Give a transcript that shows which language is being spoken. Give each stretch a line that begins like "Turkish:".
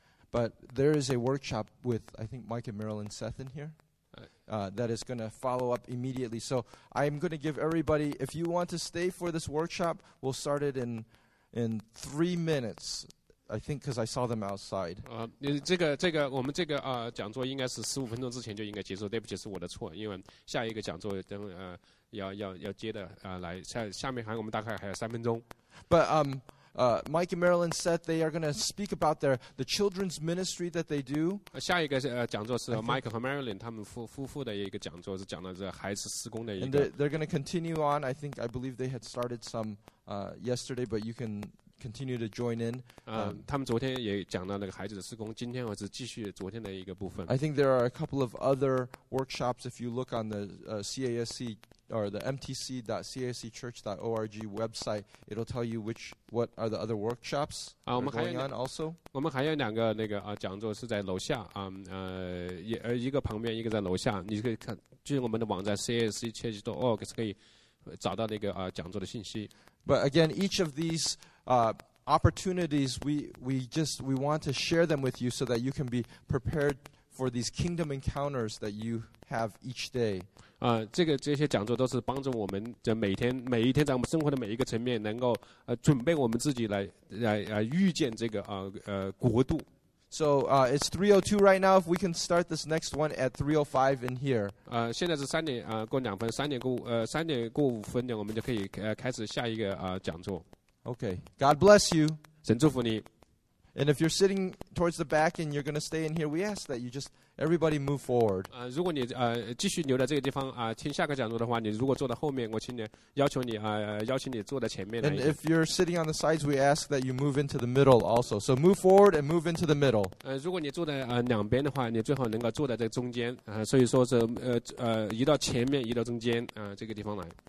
English: But there is a workshop with, I think, Mike and Marilyn Seth in here that is going to follow up immediately. So I'm going to give everybody, if you want to stay for this workshop, we'll start it in 3 minutes. I think because I saw them outside.
Chinese: 这个我们这个讲座应该是15分钟之前就应该结束。对不起，是我的错，因为下一个讲座等要接的来下面还我们大概还有3分钟。
English: But Mike and Marilyn said they are going to speak about the children's ministry that they do.
Chinese: 下一个讲座是 Mike 和 Marilyn 他们夫妇的一个讲座，是讲到这孩子施工的一个。
English: And they're going to continue on. I believe they had started some yesterday, but you can. Continue to join in.
Chinese: 他们昨天也讲到那个孩子的施工，今天我是继续昨天的一个部分。
English: I think there are a couple of other workshops if you look on the CASC or the mtc.cascchurch.org website, it'll tell you what are the other workshops going on also.
Chinese: 我们还有两个那个讲座是在楼下一个旁边，一个在楼下。你可以看，就是我们的网站 cascchurch.org 是可以找到那个讲座的信息。
English: But again, each of these opportunities, we want to share them with you so that you can be prepared for these kingdom encounters that you have each day.
Chinese: 这些讲座都是帮助我们的每一天在我们生活的每一个层面能够准备我们自己来遇见这个国度。
English: So it's 3:02 right now. If we can start this next one at 3:05 in here.
Chinese: 现在是3:05，我们就可以开始下一个讲座。
English: Okay. God bless you.
Chinese: 神祝福你。
English: And if you're sitting towards the back and you're going to stay in here, we ask that you just everybody move forward.
Chinese: 如果你继续留在这个地方听下个讲座的话，你如果坐在后面，我请你要求你邀请你坐在前面。
English: And if you're sitting on the sides, we ask that you move into the middle also. So move forward and move into the middle.
Chinese: 如果你坐在两边的话，你最好能够坐在这个中间所以说是移到前面，移到中间这个地方来。